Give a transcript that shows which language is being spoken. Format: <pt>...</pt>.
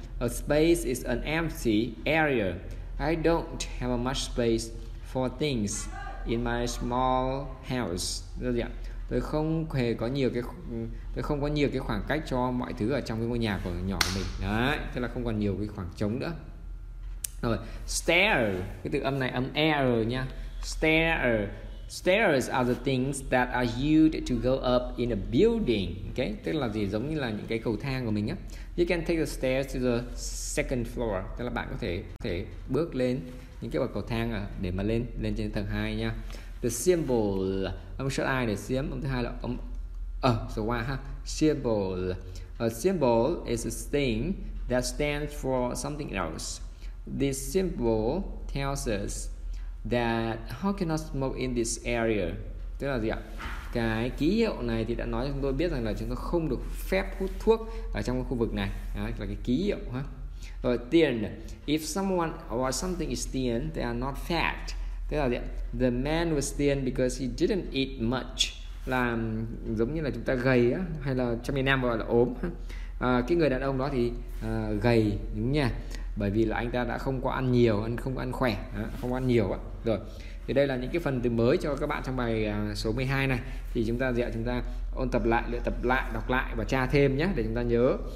<en>A space is an empty area. I don't have much space for things in my small house.</en> <vi>Tôi không có nhiều cái khoảng cách cho mọi thứ ở trong cái ngôi nhà của nhỏ của mình. Đấy, tức là không còn nhiều cái khoảng trống nữa. Rồi, stare, cái từ âm này âm er nha.</vi> <en>Stare. Stairs are the things that are used to go up in a building.</en> <vi>Okay, tức là gì, giống như là những cái cầu thang của mình á.</vi> <en>You can take the stairs to the second floor.</en> <vi>Tức là bạn có thể bước lên những cái bậc cầu thang để mà lên trên tầng 2 nha. The symbol, âm sợ ai để xiếm, âm thứ hai là âm số 1 ha.</vi> <en>Symbol, a symbol is a thing that stands for something else. This symbol tells us that how cannot smoke in this area.</en> <vi>Tức là gì ạ? Cái ký hiệu này thì đã nói cho chúng tôi biết rằng là chúng ta không được phép hút thuốc ở trong khu vực này. Đó là cái ký hiệu ha.</vi> <en>Rồi thin, if someone or something is thin, they are not fat.</en> <vi>Tức là gì ạ?</vi> <en>The man was thin because he didn't eat much.</en> <vi>Là giống như là chúng ta gầy á, hay là trong miền Nam gọi là ốm ha. Cái người đàn ông đó thì gầy đúng nha, bởi vì là anh ta đã không có ăn nhiều, ăn không ăn khỏe, không ăn nhiều ạ. Rồi thì đây là những cái phần từ mới cho các bạn trong bài số 12 này, thì chúng ta ôn tập lại, luyện tập lại, đọc lại và tra thêm nhé để chúng ta nhớ.</vi>